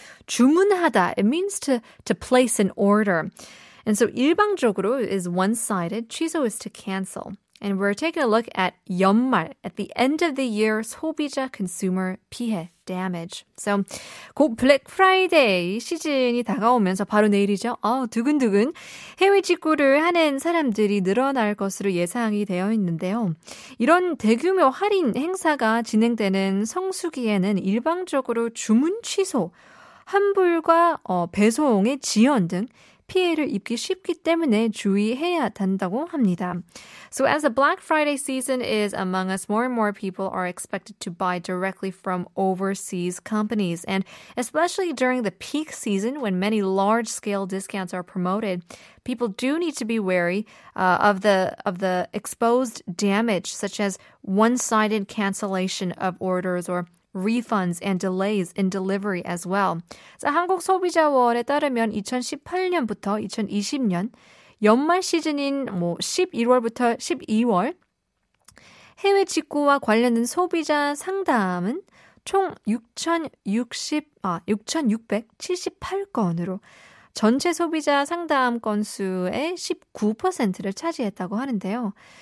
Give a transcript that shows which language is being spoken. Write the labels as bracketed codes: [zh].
[en] 주문하다, it means to place an order. And so 일방적으로 is one-sided, 취소 is to cancel. And we're taking a look at 연말, at the end of the year, 소비자 consumer 피해, damage. [ko] So 곧 Black Friday 시즌이 다가오면서 바로 내일이죠. 두근두근 해외 직구를 하는 사람들이 늘어날 것으로 예상이 되어 있는데요. 이런 대규모 할인 행사가 진행되는 성수기에는 일방적으로 주문 취소, 환불과 배송의 지연 등 피해를 입기 쉽기 때문에 주의해야 한다고 합니다. [en] So as the Black Friday season is among us, more and more people are expected to buy directly from overseas companies. And especially during the peak season when many large-scale discounts are promoted, people do need to be wary of the exposed damage, such as one-sided cancellation of orders or refunds and delays in delivery as well. [ko] So 한국 소비자원에 따르면 2018년부터 2020년 연말 시즌인 11월부터 12월 해외 직구와 관련된 소비자 상담은 총 6,678건으로 전체 소비자 상담 건수의 19%를 차지했다고 하는데요.